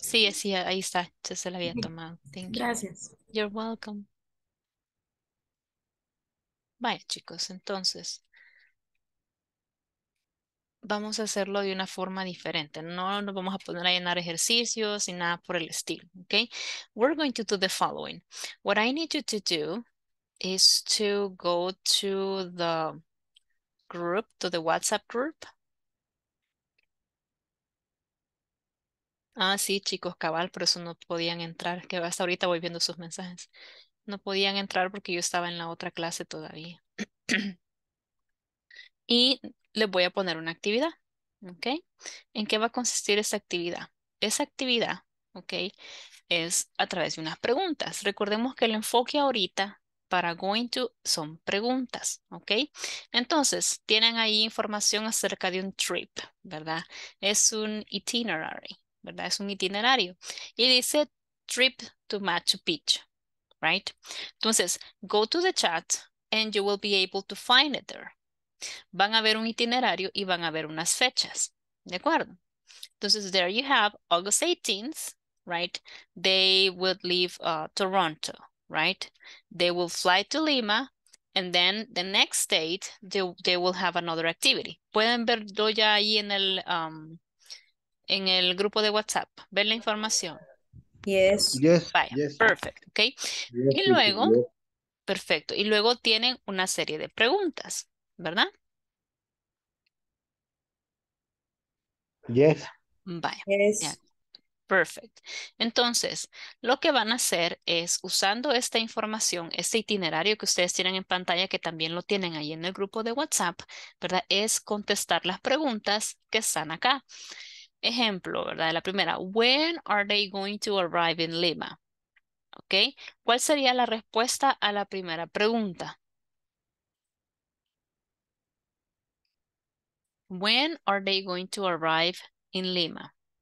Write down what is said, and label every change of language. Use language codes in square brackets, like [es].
[es] Sí, ahí está. Ya se la había tomado. [en] Thank you. [es] Gracias. [en] You're welcome. [es] Vaya, chicos, entonces. Vamos a hacerlo de una forma diferente. No nos vamos a poner a llenar ejercicios ni nada por el estilo, ¿ok? [en] We're going to do the following. What I need you to do is to go to the group, to the WhatsApp group. [es] Ah, sí, chicos, cabal, por eso no podían entrar. Que hasta ahorita voy viendo sus mensajes. No podían entrar porque yo estaba en la otra clase todavía. Y les voy a poner una actividad, ¿ok? ¿En qué va a consistir esa actividad? Esa actividad, ¿ok? Es a través de unas preguntas. Recordemos que el enfoque ahorita para going to son preguntas, ¿ok? Entonces, tienen ahí información acerca de un trip, ¿verdad? Es un itinerary, ¿verdad? Es un itinerario. Y dice [en] trip to Machu Picchu, ¿right? [es] Entonces, [en] go to the chat and you will be able to find it there. [es] Van a ver un itinerario y van a ver unas fechas, ¿de acuerdo? Entonces, [en] there you have August 18th, right? They would leave Toronto, right? They will fly to Lima, and then the next date, they will have another activity. [es] Pueden verlo ya ahí en el grupo de WhatsApp, ver la información. [en] Yes. Yes. Fine. Yes. Perfect, okay? Yes, [es] y luego, [en] yes. [es] Perfecto, y luego tienen una serie de preguntas, ¿verdad? [en] Yes. Bye. Yes. Yeah. Perfect. [es] Entonces, lo que van a hacer es, usando esta información, este itinerario que ustedes tienen en pantalla, que también lo tienen ahí en el grupo de WhatsApp, ¿verdad? Es contestar las preguntas que están acá. Ejemplo, ¿verdad? La primera, [en] when are they going to arrive in Lima? ¿Ok? [es] ¿Cuál sería la respuesta a la primera pregunta? [en] When are they going to arrive in Lima?